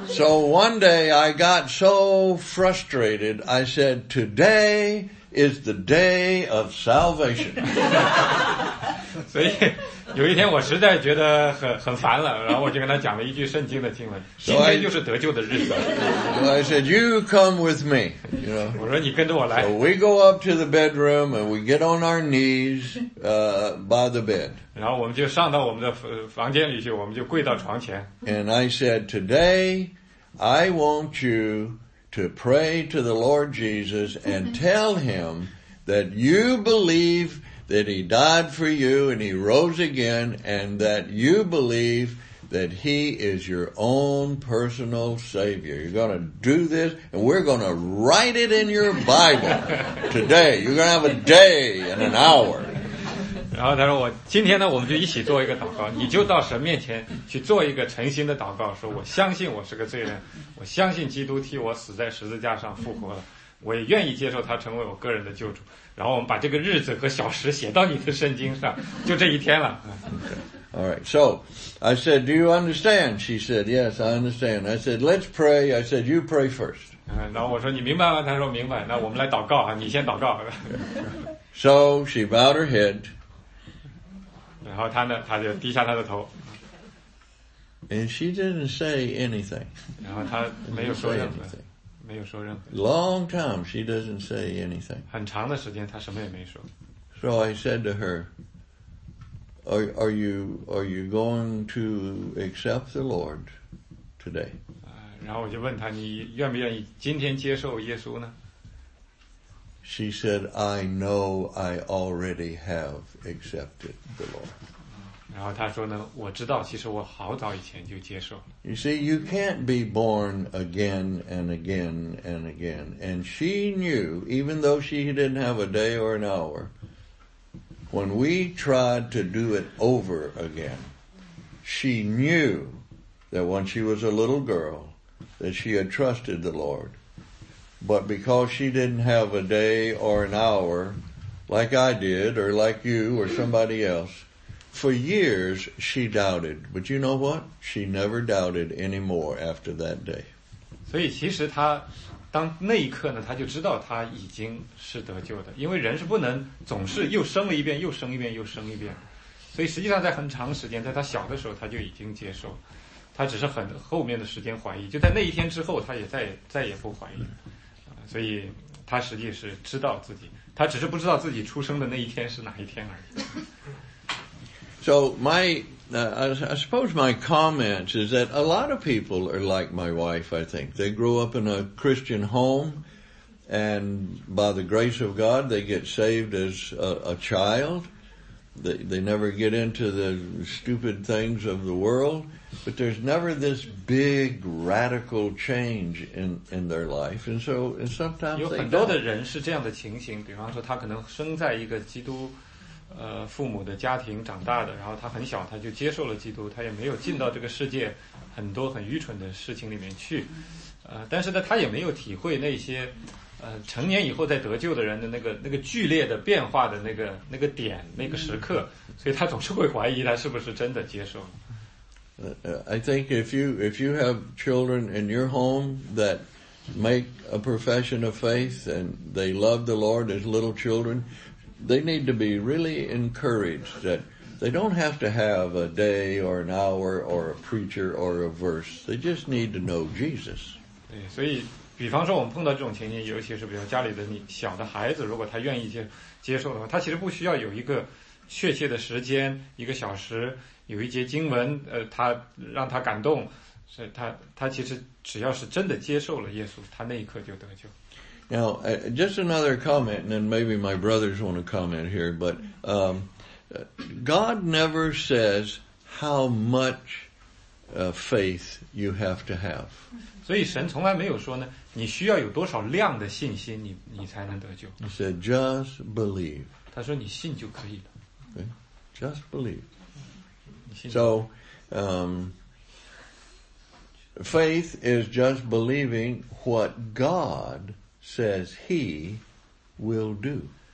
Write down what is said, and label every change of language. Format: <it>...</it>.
<en>So one day I got so frustrated, I said, today is the day of salvation.</en> <zh>所以 有一天我实在觉得很烦了，然后我就跟他讲了一句圣经的经文，今天就是得救的日子。So</zh> <en>I said, you come with me. You know?</en> <zh>我说你跟着我来。So</zh> <en>we go up to the bedroom and we get on our knees by the bed.</en> <zh>然后我们就上到我们的房间里去，我们就跪到床前。And</zh> <en>I said, today I want you to pray to the Lord Jesus and tell him that you believe that he died for you and he rose again and that you believe that he is your own personal savior. You're going to do this and we're going to write it in your Bible today. You're going to have a day and an hour.</en> <zh>然后他说我今天呢我们就一起做一个祷告，你就到神面前去做一个诚心的祷告，说我相信我是个罪人，我相信基督替我死在十字架上复活了，我也愿意接受他成为我个人的救主，然后我们把这个日子和小时写到你的圣经上，就这一天了。</zh> <en>All right, so I said, do you understand? She said, yes, I understand. I said, let's pray. I said, you pray first.</en> <zh>然后我说你明白吗？她说明白。那我们来祷告啊，你先祷告。</zh> <en>So she bowed her head.</en> <zh>然后她呢，她就低下她的头。</zh> <en>And she didn't say anything.</en> <zh>然后她没有说任何，没有说任何。</zh> <en>Long time she doesn't say anything.</en> <zh>很长的时间她什么也没说。</zh> <en>So I said to her,Are you going to accept the Lord today?</en> <zh>然后我就问他，你愿不愿意今天接受耶稣呢？</zh> <en>She said, I know I already have accepted the Lord.</en> <zh>然后他说呢，我知道，其实我好早以前就接受了。</zh> <en>You see, you can't be born again and again and again. And she knew, even though she didn't have a day or an hour,When we tried to do it over again, she knew that when she was a little girl, that she had trusted the Lord. But because she didn't have a day or an hour, like I did, or like you, or somebody else, for years she doubted. But you know what? She never doubted anymore after that day.</en> <zh>所以其实她当那一刻呢，他就知道他已经是得救的，因为人是不能总是又生了一遍又生一遍又生一遍，所以实际上在很长时间，在他小的时候他就已经接受，他只是很后面的时间怀疑，就在那一天之后他也再也不怀疑，所以他实际是知道自己，他只是不知道自己出生的那一天是哪一天而已。</zh> <en>So my I suppose my comment is that a lot of people are like my wife, I think. They grow up in a Christian home, and by the grace of God, they get saved as a child. They never get into the stupid things of the world, but there's never this big radical change in their life. And sometimes they don't.</en> <zh>有很多的人是这样的情形，比方说他可能生在一个基督父母的家庭长大的，然后他很小他就接受了基督，他也没有进到这个世界很多很愚蠢的事情里面去，但是呢他也没有体会那些成年以后再得救的人的那个剧烈的变化的那个点那个时刻，所以他总是会怀疑他是不是真的接受了。</zh> <en>I think if you have children in your home that make a profession of faith and they love the Lord as little childrenThey need to be really encouraged that they don't have to have a day or an hour or a preacher or a verse. They just need to know Jesus.</en> <zh>对，所以，比方说我们碰到这种情形，尤其是比如家里的你小的孩子，如果他愿意接受的话，他其实不需要有一个确切的时间，一个小时，有一节经文，他让他感动，是他其实只要是真的接受了耶稣，他那一刻就得救。</zh> <en>Now, just another comment, and then maybe my brothers want to comment here, but God never says how much faith you have to have.</en> <zh>所以神从来没有说呢，你需要有多少量的信心你才能得救。</zh> <en>He said, just believe.</en> <zh>他说你信就可以了。</zh> <en>Okay? Just believe. So, faith is just believing what God says he will do.</en>